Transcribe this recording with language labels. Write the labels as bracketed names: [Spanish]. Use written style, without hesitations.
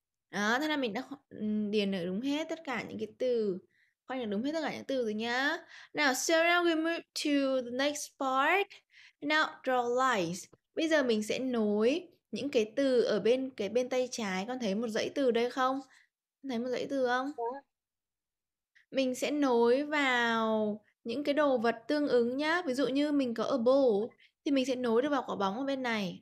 [Vietnamese] Đó, thế là mình đã điền được đúng hết tất cả những cái từ. Khoanh được đúng hết tất cả những từ rồi nhá. [English] Now, so now we move to the next part. Now, draw lines. [Vietnamese] Bây giờ mình sẽ nối những cái từ ở bên cái bên tay trái. Con thấy một dãy từ đây không? Con thấy một dãy từ không? Mình sẽ nối vào những cái đồ vật tương ứng nhá. Ví dụ như mình có a ball thì mình sẽ nối được vào quả bóng ở bên này.